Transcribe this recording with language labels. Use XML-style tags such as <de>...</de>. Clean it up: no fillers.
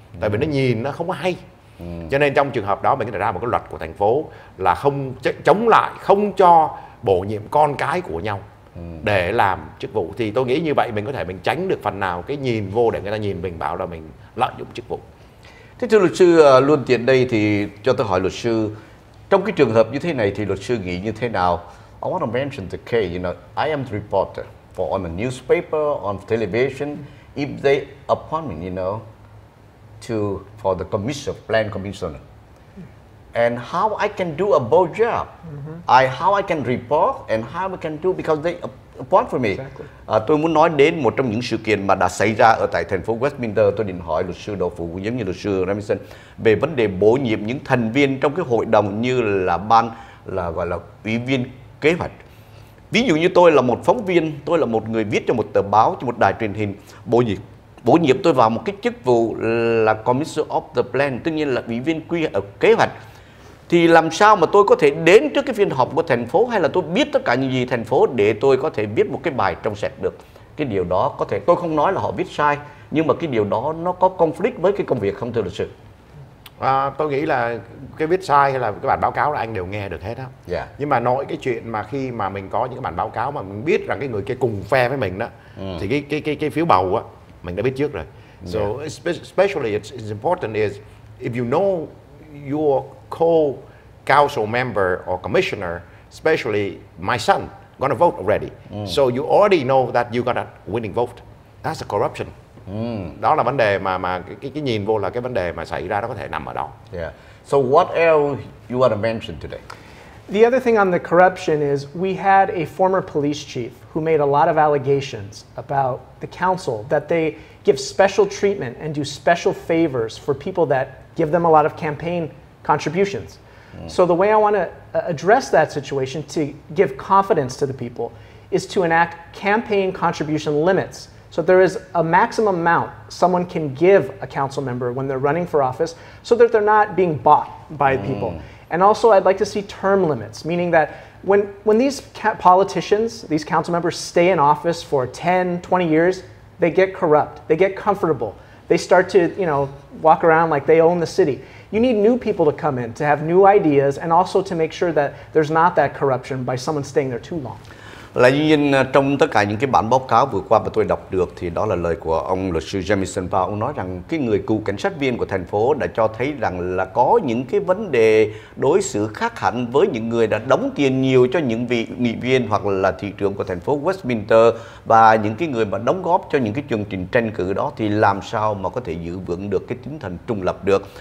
<vi>Tại vì nó nhìn nó không có hay. Cho nên trong trường hợp đó mình có thể ra một cái luật của thành phố là không chống lại, không cho bổ nhiệm con cái của nhau để làm chức vụ. Thì tôi nghĩ như vậy mình có thể mình tránh được phần nào cái nhìn vô để người ta nhìn mình bảo là mình lợi dụng chức vụ. Thế thưa luật sư, luôn tiện đây thì cho tôi hỏi luật sư, trong cái trường hợp như thế này thì luật sư nghĩ như thế nào?</vi> <en>I want to mention the case, you know, I am the reporter for on the newspaper, on television. If they appoint me, you know, to for the commissioner, plan commissioner, and how I can do a both job, mm-hmm. How I can report and how I can do because they appoint for me. Exactly.</en> <vi>Tôi muốn nói đến một trong những sự kiện mà đã xảy ra ở tại thành phố Westminster. Tôi định hỏi luật sư Đỗ Phủ cũng giống như luật sư Jamison về vấn đề bổ nhiệm những thành viên trong cái hội đồng như là ban là gọi là ủy viên kế hoạch. Ví dụ như tôi là một phóng viên, tôi là một người viết cho một tờ báo, cho một đài truyền hình, bổ nhiệm tôi vào một cái chức vụ là</vi> <en>Commissioner of the Plan,</en> <vi>tất nhiên là ủy viên kế hoạch. Thì làm sao mà tôi có thể đến trước cái phiên họp của thành phố hay là tôi biết tất cả những gì thành phố để tôi có thể viết một cái bài trong sạch được? Cái điều đó có thể, tôi không nói là họ viết sai, nhưng mà cái điều đó nó có conflict với cái công việc không thưa luật sư? Tôi nghĩ là cái viết sai hay là cái bản báo cáo là anh đều nghe được hết á.</vi> <en>Yeah.</en> <vi>Nhưng mà nói cái chuyện mà khi mà mình có những cái bản báo cáo mà mình biết rằng cái người kia cùng phe với mình đó, thì cái phiếu bầu á, mình đã biết trước rồi.</vi> <en>So especially it's important is if you know your co-council member or commissioner, especially my son, gonna vote already. So you already know that you got a winning vote. That's a corruption.</en> <vi>Đó là vấn đề mà cái nhìn vô là cái vấn đề mà xảy ra nó có thể nằm ở đó.</vi> <en>Yeah. So what else you want to mention today? The other thing on the corruption is we had a former police chief who made a lot of allegations about the council that they give special treatment and do special favors for people that give them a lot of campaign contributions. So the way I want to address that situation to give confidence to the people is to enact campaign contribution limits. So there is a maximum amount someone can give a council member when they're running for office so that they're not being bought by people. And also I'd like to see term limits, meaning that when these politicians, these council members stay in office for 10, 20 years, they get corrupt, they get comfortable. They start to, you know, walk around like they own the city. You need new people to come in to have new ideas and also to make sure that there's not that corruption by someone staying there too long.</en> <vi>Là như nhìn trong tất cả những cái bản báo cáo vừa qua mà tôi đọc được thì đó là lời của ông luật sư Jamison Powell. Ông nói rằng cái người cựu cảnh sát viên của thành phố đã cho thấy rằng là có những cái vấn đề đối xử khác hẳn với những người đã đóng tiền nhiều cho những vị nghị viên hoặc là thị trưởng của thành phố Westminster và những cái người mà đóng góp cho những cái chương trình tranh cử đó, thì làm sao mà có thể giữ vững được cái tinh thần trung lập được.</vi>